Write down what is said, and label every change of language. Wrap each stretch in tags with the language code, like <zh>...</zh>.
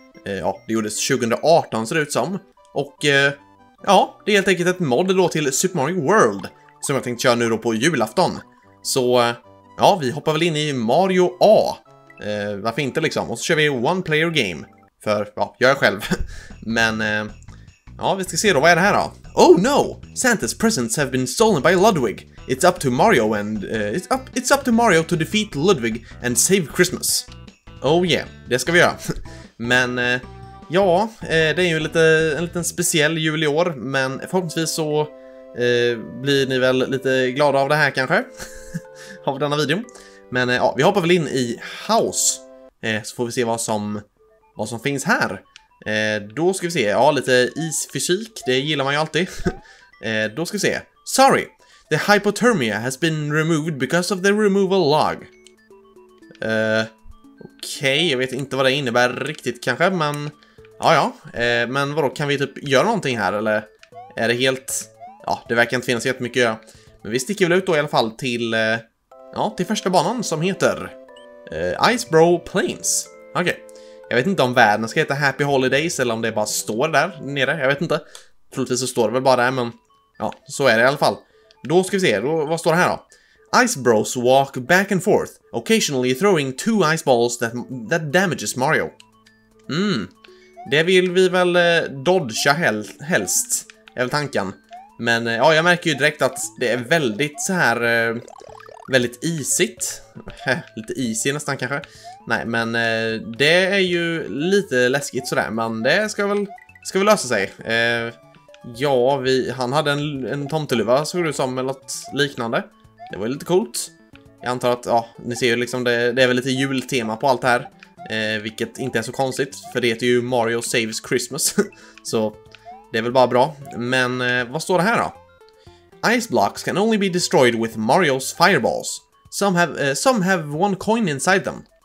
<sv>Ja, det gjordes 2018 ser det ut som. Och ja, det är helt enkelt ett mod då till Super Mario World, som jag tänkte köra nu då på julafton. Så ja, vi hoppar väl in i Mario A. Varför inte liksom? Och så kör vi One Player Game. För, ja, gör jag själv. Men ja, vi ska se då, vad är det här då?</sv> <en>Oh no! Santa's presents have been stolen by Ludwig. It's up to Mario and it's up to Mario to defeat Ludwig and save Christmas. Oh yeah,</en> <sv>det ska vi göra. Men ja, det är ju en liten speciell jul i år, men förhoppningsvis så blir ni väl lite glada av det här kanske. Av denna video. Men ja, vi hoppar väl in i House. Så får vi se vad som finns här. Då ska vi se, ja, lite isfysik, det gillar man ju alltid. Då ska vi se.</sv> <en>Sorry, the hypothermia has been removed because of the removal log.</en> <sv>Okej, jag vet inte vad det innebär riktigt kanske, men ja. Men vadå, kan vi typ göra någonting här, eller är det helt, ja, det verkar inte finnas jättemycket att göra. Men vi sticker väl ut då i alla fall till, ja, till första banan som heter Ice Bro Plains. Okej. Jag vet inte om världen ska heta Happy Holidays eller om det bara står där nere, jag vet inte. Troligtvis så står det väl bara där, men ja, så är det i alla fall. Då ska vi se, då, vad står det här då?</sv> <en>Ice Bros walk back and forth, occasionally throwing two ice balls that damages Mario.</en> <sv>Mm, det vill vi väl dodga helst, är väl tanken. Men ja, jag märker ju direkt att det är väldigt så här, väldigt isigt. Lite isigt nästan kanske. Nej, men det är ju lite läskigt sådär, men det ska väl lösa sig. Ja, han hade en tomteluva, såg det ut som, eller något liknande. Det var ju lite coolt. Jag antar att, ja, ni ser ju liksom, det är väl lite jultema på allt det här. Vilket inte är så konstigt, för det heter ju Mario Saves Christmas. Så det är väl bara bra. Men vad står det här då?</sv> <en>Ice blocks can only be destroyed with Mario's fireballs. Some have one coin inside them.</en>